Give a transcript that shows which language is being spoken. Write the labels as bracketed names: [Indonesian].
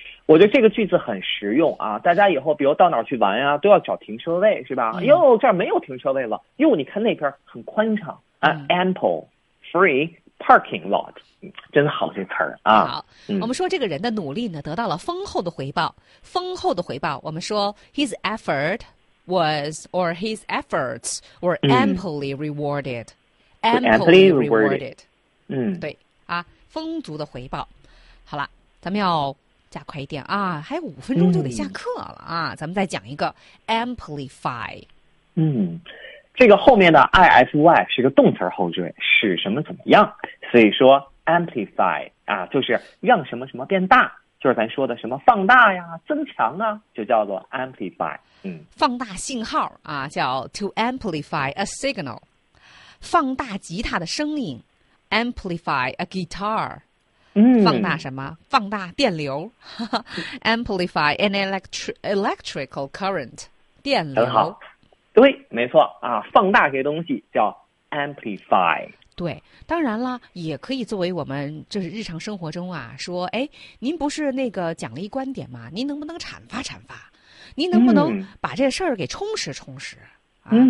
[Chinese] 我觉得这个句子很实用啊，大家以后比如到哪儿去玩啊，都要找停车位，是吧？哟，嗯，这儿没有停车位了，哟，你看那边很宽敞啊，嗯， [English] Ample free parking lot， [Chinese] 真好这词儿啊！好，嗯，我们说这个人的努力呢，得到了丰厚的回报。丰厚的回报，我们说 [English] his effort was or his efforts were amply rewarded，嗯。 Amply rewarded，嗯， [Chinese] 对啊，丰足的回报。好了，咱们要加快一点啊，还有5分钟就得下课了啊，嗯，咱们再讲一个 amplify。嗯，这个后面的 ify 是个动词后缀，使什么怎么样，所以说 amplify 啊，就是让什么什么变大，就是咱说的什么放大呀、增强啊，就叫做 amplify。嗯，放大信号啊，叫 [English] to amplify a signal。 [Chinese] 放大吉他的声音 ， [English] amplify a guitar，嗯， [Chinese] 放大什么？放大电流， [English] amplify an electrical current， [Chinese] 电流。很好，对，没错啊，放大这些东西叫 amplify。对，当然了，也可以作为我们就是日常生活中啊，说，哎，您不是那个奖励观点吗？您能不能阐发阐发？您能不能把这事儿给充实充实啊？